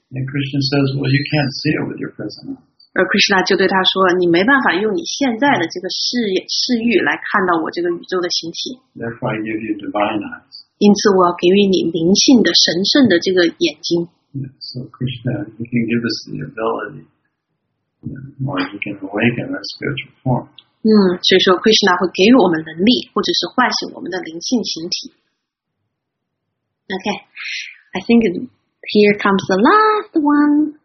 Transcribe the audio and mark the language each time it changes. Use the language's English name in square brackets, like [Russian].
[English] And Krishna says, well, you can't see it with your present eyes. [Chinese] 而 Krishna 就对他说，你没办法用你现在的这个视域来看到我这个宇宙的形体。 [English] Therefore, I give you divine eyes. [Chinese] 因此我要给予你灵性的神圣的这个眼睛。 [English] So Krishna, you can give us the ability, or you can awaken our spiritual form. [Chinese] 所以说 Krishna 会给予我们能力，或者是唤醒我们的灵性形体。 [English] Okay, I think here comes the last one.